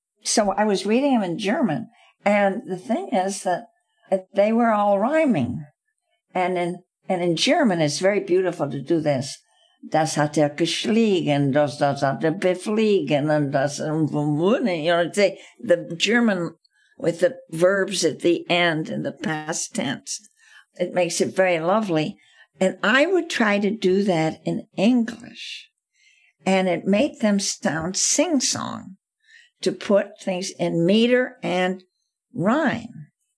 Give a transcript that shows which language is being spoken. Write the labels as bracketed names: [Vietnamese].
[English] So I was reading them in German. And the thing is that they were all rhyming. And in German, it's very beautiful to do this. [German] Das hat er geschlagen, das hat er befliegen, and das umwunden. [English] You know, say the German with the verbs at the end in the past tense. It makes it very lovely. And I would try to do that in English. And it made them sound sing-song to put things in meter and rhyme.